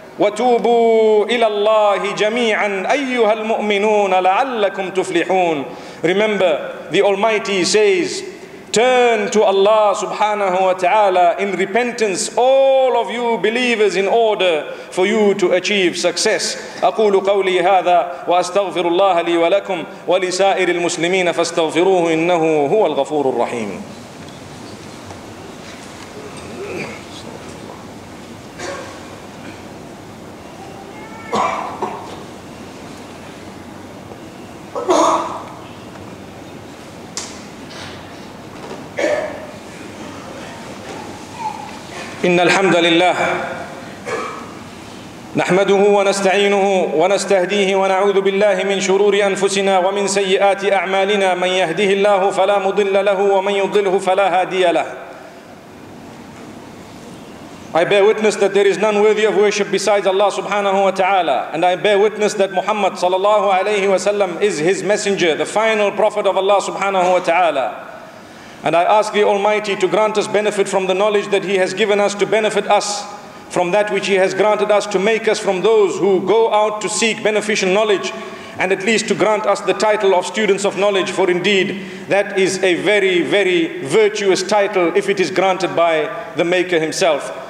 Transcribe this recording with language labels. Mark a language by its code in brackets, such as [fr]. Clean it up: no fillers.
[ar] وَتُوبُوا إِلَى اللَّهِ جَمِيعًا أَيُّهَا الْمُؤْمِنُونَ لَعَلَّكُمْ تُفْلِحُونَ. [en] Remember, the Almighty says, turn to Allah subhanahu wa ta'ala in repentance, all of you believers, in order for you to achieve success. [ar] أقول قولي هذا وأستغفر الله لي ولكم ولسائر المسلمين فاستغفروه إنه هو الغفور الرحيم. إن الحمد لله نحمده ونستعينه ونستهديه ونعوذ بالله من شرور أنفسنا ومن سيئات أعمالنا، من يهده الله فلا مضل له ومن يضله فلا هادي له. [en] I bear witness that there is none worthy of worship besides Allah subhanahu wa ta'ala, and I bear witness that Muhammad sallallahu alayhi wa sallam is his messenger, the final prophet of Allah subhanahu wa ta'ala. And I ask the Almighty to grant us benefit from the knowledge that He has given us, to benefit us from that which He has granted us, to make us from those who go out to seek beneficial knowledge, and at least to grant us the title of students of knowledge, for indeed that is a very, very virtuous title if it is granted by the Maker Himself.